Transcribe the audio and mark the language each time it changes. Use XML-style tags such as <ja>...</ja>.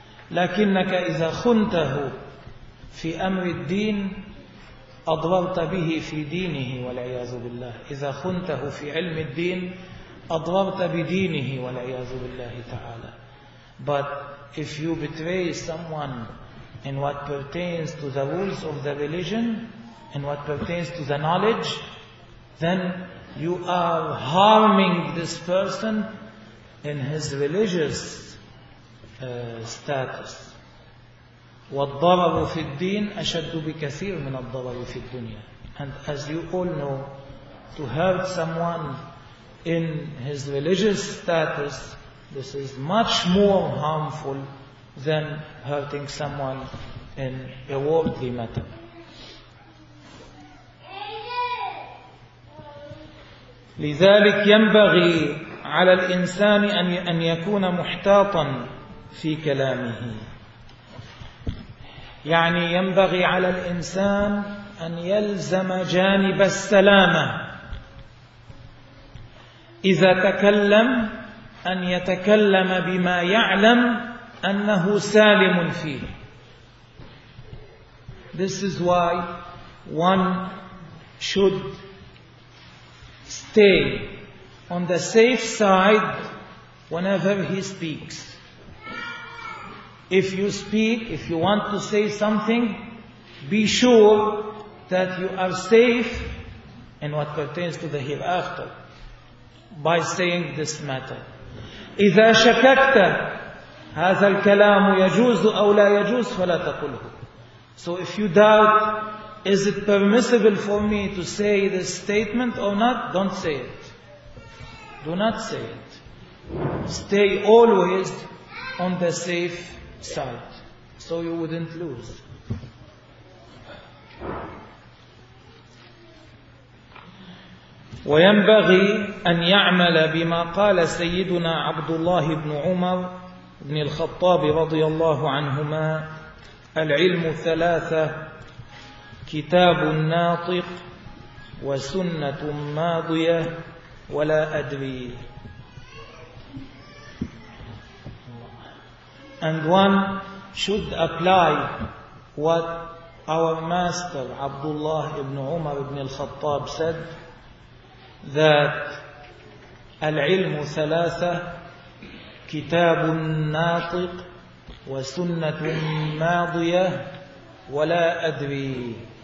<ar>لكنك إذا خنته في أمر الدين أضررت به في دينه والعياذ بالله. إذا خنته في علم الدين أضررت بدينه والعياذ بالله تعالى.</ar> <en>But if you betray someone in what pertains to the rules of the religion, in what pertains to the knowledge, then you are harming this person in his religious status.</en> <ar>وَالضَّرَرُ فِي الدِّينِ أَشَدُّ بِكَثِيرٍ مِنَ الضَّرَرُ فِي الدُّنْيَا.</ar> <en>And as you all know, to hurt someone in his religious status, this is much more harmful than hurting someone in a worldly matter.</en> <ar>لذلك ينبغي على الإنسان أن يكون محتاطا في كلامه. يعني ينبغي على الإنسان أن يلزم جانب السلامة. إذا تكلم أن يتكلم بما يعلم أنه سالم فيه.</ar> <en>This is why one should stay on the safe side whenever he speaks. If you speak, if you want to say something, be sure that you are safe in what pertains to the hereafter by saying this matter.</en> <ar>إذا شككت هذا الكلام يجوز أو لا يجوز فلا تقوله.</ar> <en>So if you doubt, is it permissible for me to say this statement or not? Don't say it. Do not say it. Stay always on the safe side, so you wouldn't lose.</en> <ar>وينبغي أن يعمل بما قال سيدنا عبد الله بن عمر بن الخطاب رضي الله عنهما: العلم ثلاثة، كتاب ناطق، وسنة ماضية، ولا أدري.</ar> <en>And one should apply what our master Abdullah ibn Umar ibn al-Khattab said, that</en> <ar>العلم ثلاثة، كتاب ناطق، وسنة ماضية، ولا أدري.</ar>